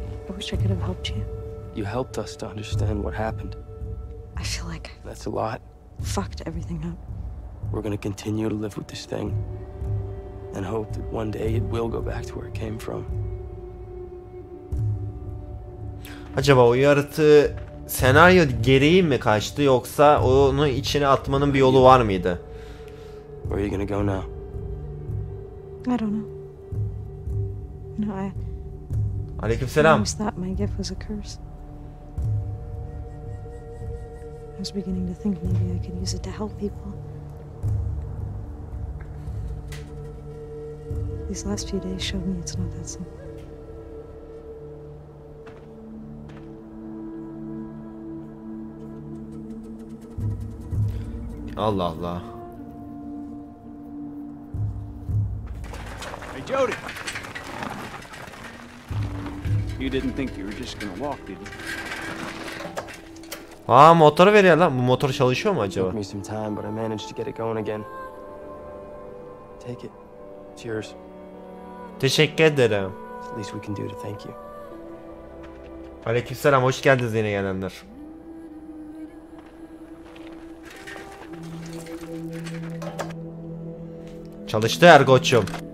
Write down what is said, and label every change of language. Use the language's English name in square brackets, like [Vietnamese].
[English] I wish I could have helped you. You helped us to understand what happened. I feel like that's a lot. Fucked everything up. We're gonna continue to live with this thing and hope that one day it will go back to where it came from. [Turkish] Acaba o yaratığı senaryo gereği mi kaçtı, yoksa onu içine atmanın bir yolu var mıydı? [English] Where are you gonna go now? I don't know. No, I... [Turkish] Aleykümselam. [English] I always thought my gift was a curse. I was beginning to think maybe I could use it to help people. These last few days showed me it's not that simple. [Turkish] Allah Allah. [English] Hey Jody. You didn't think you were just gonna walk, did you? [Turkish] Aa, motoru veriyor lan. Bu motor çalışıyor mu acaba? [English] It took me some time, but I managed to get it going again. Take it. It's yours. [Turkish] Teşekkür ederim. [English] At least we can do to thank you. [Turkish] Aleykümselam, hoş geldiniz yine gelenler. Çalıştı Ergoç'um.